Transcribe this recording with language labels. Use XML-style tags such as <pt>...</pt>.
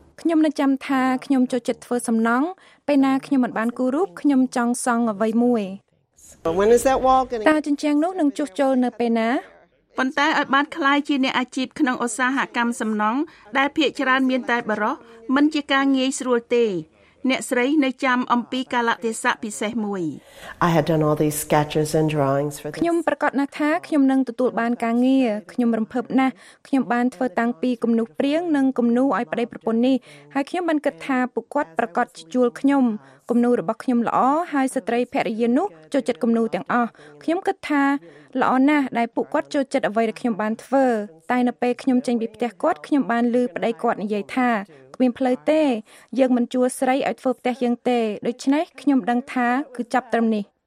<km>ខ្ញុំនៅចាំថាខ្ញុំចូលចិត្តធ្វើសំណង់ពេលណាខ្ញុំមិនបានគូររូបខ្ញុំចង់សង់អ្វីមួយ</km> <en>When is that wall going</en> <km>តើជញ្ជាំងនោះនឹងជួសជុលនៅពេលណា ប៉ុន្តែឲ្យបានក្លាយជាអ្នកអាជីពក្នុងឧស្សាហកម្មសំណង់ដែលភាគច្រើនមានតែបរោះមិនជាការងាយស្រួលទេអ្នកស្រីនៅចាំអំពីកាលៈទេសៈពិសេសមួយ</km> <en>I had done all these sketches and drawings for this</en> <km>ខ្ញុំប្រកាសណាស់ថាខ្ញុំនឹងទទួលបានការងារខ្ញុំរំភើបណាស់ខ្ញុំបានធ្វើតាំងពីគំនូសព្រាងនិងគំនូសឲ្យប្តីប្រពន្ធនេះហើយខ្ញុំបានគិតថាពួកគាត់ប្រកាសជួលខ្ញុំគំនូសរបស់ខ្ញុំល្អហើយស្ត្រីភរិយានោះចូលចិត្តគំនូសទាំងអស់ខ្ញុំគិតថាល្អណាស់ដែលពួកគាត់ចូលចិត្តអ្វីដែលខ្ញុំបានធ្វើតែនៅពេលខ្ញុំចេញពីផ្ទះគាត់ខ្ញុំបានឮប្តីគាត់និយាយថាមានផ្លូវទេយើងមិនជួស្រីឲ្យធ្វើផ្ទះយើងទេដូច្នេះខ្ញុំដឹងថាគឺចាប់ត្រឹមនេះ</km>